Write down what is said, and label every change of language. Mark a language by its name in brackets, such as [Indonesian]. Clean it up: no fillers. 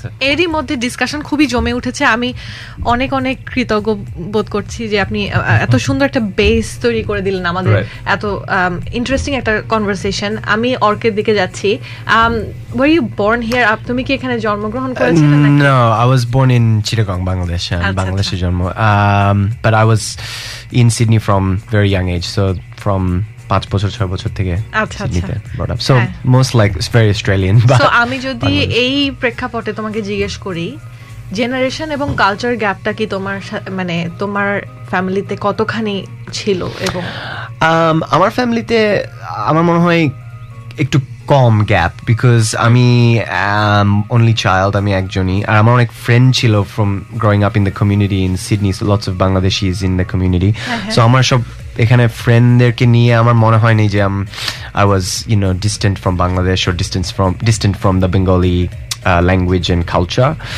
[Bangla] এরই মধ্যে ডিসকাশন খুবই জমে উঠেছে, আমি অনেক অনেক কৃতজ্ঞ বোধ করছি যে আপনি এত সুন্দর একটা বেস তৈরি করে দিলেন আমাদের এত ইন্টারেস্টিং একটা কনভারসেশন। আমি অর্কের দিকে যাচ্ছি, [English] where you born here, [Bangla] আপনি তুমি কি এখানে জন্মগ্রহণ করেছিলেন? [English] No, I was born in Chittagong, Bangladesh, Bangladesh জন্ম, but I was in Sydney from very young age, so from 5 [Bangla] বছর 6 বছর থেকে সিডনিতে [English] brought up, so most like it's very Australian. [Bangla] So আমি যদি এই প্রেক্ষাপটে তোমাকে জিজ্ঞেস করি, জেনারেশন এবং কালচার গ্যাপটা কি তোমার, মানে তোমার ফ্যামিলিতে কতখানি ছিল? এবং আমার ফ্যামিলিতে আমার মনে হয় একটু কম গ্যাপ, [English] because আমি only child, [Bangla] আমি একজনই, আর আমার অনেক ফ্রেন্ড ছিল [English] from growing up in the community in Sydney, so lots of Bangladeshi is in the community, so [Bangla] আমার সব এখানে ফ্রেন্ডদেরকে নিয়ে আমার মনে হয়নি যে [English] I was you know distant from Bangladesh or distant from the Bengali language and culture.